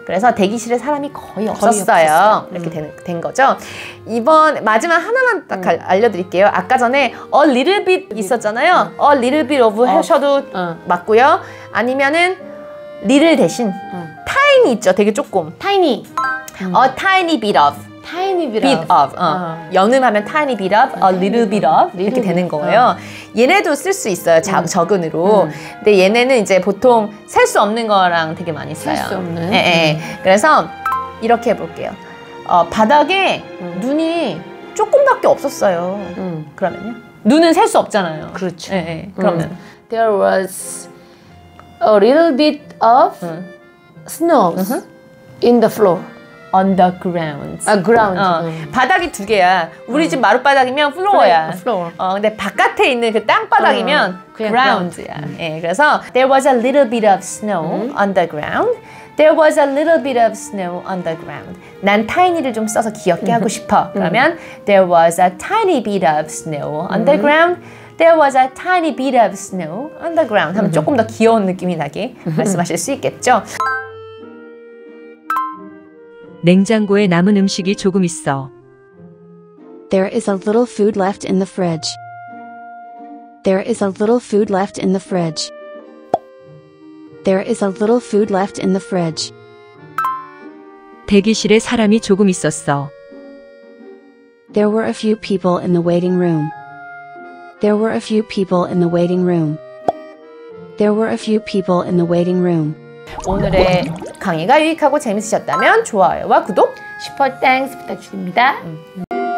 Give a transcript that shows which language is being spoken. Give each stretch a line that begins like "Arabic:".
Korean: 그래서 대기실에 사람이 거의 없었어요. 이렇게 된 거죠. 이번 마지막 하나만 딱 알려드릴게요. 아까 전에
English: a little bit
Korean: 있었잖아요.
English: A little bit of
Korean: 하셔도 맞고요. 아니면은 little 대신 tiny 있죠. 되게 조금.
English: Tiny. A tiny bit of. Tiny bit, bit of.
Korean: 연음하면
English: tiny bit of, a little bit of.
Korean: Little 이렇게 되는 거예요. 얘네도 쓸 수 있어요. 적은으로. 근데 얘네는 이제 보통 셀 수 없는 거랑 되게 많이 써요. 셀 수 없는. 예, 예. 그래서 이렇게 해볼게요. 바닥에 눈이 조금밖에 없었어요. 그러면요? 눈은 셀 수 없잖아요. 그렇죠. 예, 예. 그러면.
English: There was a little bit of snow in the floor. On the ground. A ground.
Korean: 바닥이 두 개야. 우리 집 마룻바닥이면 floor야.
English: Floor.
Korean: 근데 바깥에 있는 그 땅바닥이면 ground야. 예, 그래서
English: there was a little bit of snow on the ground. There was a little bit of snow on the ground.
Korean: 난 tiny를 좀 써서 귀엽게 하고 싶어.
English: 그러면 there was a tiny bit of snow on the ground. There was a tiny bit of snow on the ground.
Korean: 하면 조금 더 귀여운 느낌이 나게 말씀하실 수 있겠죠? 냉장고에 남은 음식이 조금 있어.
English: There is a little food left in the fridge. There is a little food left in the fridge. There is a little food left in the fridge.
Korean: 대기실에 사람이 조금 있었어.
English: There were a few people in the waiting room. There were a few people in the waiting room. There were a few people in the waiting room.
Korean: 오늘의 강의가 유익하고 재밌으셨다면 좋아요와 구독 슈퍼 땡스 부탁드립니다.